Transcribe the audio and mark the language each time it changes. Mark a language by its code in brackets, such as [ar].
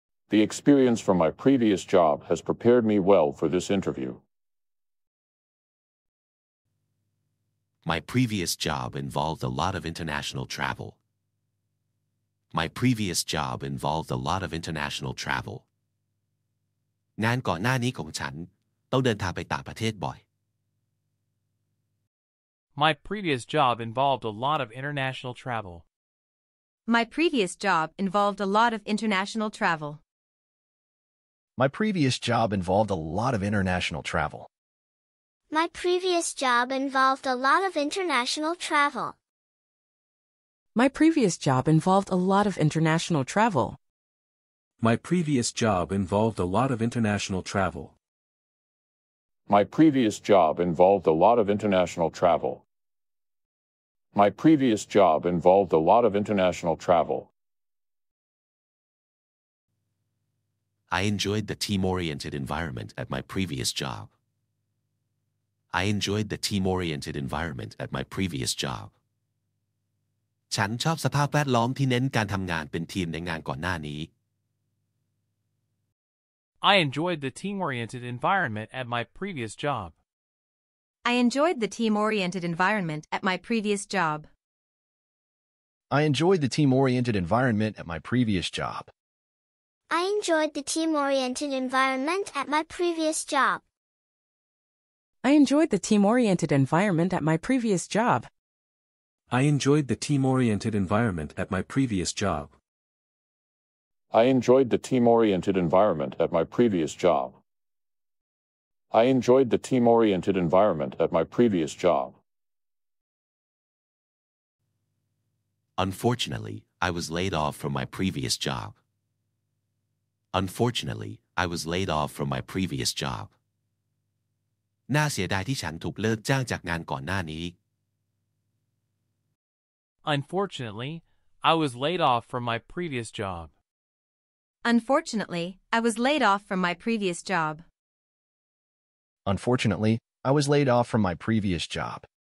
[en] The experience from my previous job has prepared me well for this interview. My previous job involved a lot of international travel. My previous job involved a lot of international travel. [th] งานก่อนหน้านี้ของฉันต้องเดินทางไปต่างประเทศบ่อย [en] My previous job involved a lot of international travel. My previous job involved a lot of international travel. My previous job involved a lot of international travel. My previous job involved a lot of international travel. My previous job involved a lot of international travel. My previous job involved a lot of international travel. My previous job involved a lot of international travel. My previous job involved a lot of international travel. I enjoyed the team-oriented environment at my previous job. I enjoyed the team-oriented environment at my previous job. [th] ฉันชอบสภาพแวดล้อมที่เน้นการทำงานเป็นทีมในงานก่อนหน้านี้ [en] I enjoyed the team-oriented environment at my previous job. I enjoyed the team-oriented environment at my previous job. I enjoyed the team-oriented environment at my previous job. I enjoyed the team-oriented environment at my previous job. I enjoyed the team-oriented environment at my previous job. I enjoyed the team-oriented environment at my previous job. I enjoyed the team-oriented environment at my previous job. I enjoyed the team-oriented environment at my previous job. Unfortunately, I was laid off from my previous job. Unfortunately, I was laid off from my previous job. [th] น่าเสียดายที่ฉันถูกเลิกจ้างจากงานก่อนหน้านี้ [en] Unfortunately, I was laid off from my previous job. Unfortunately, I was laid off from my previous job. Unfortunately, I was laid off from my previous job.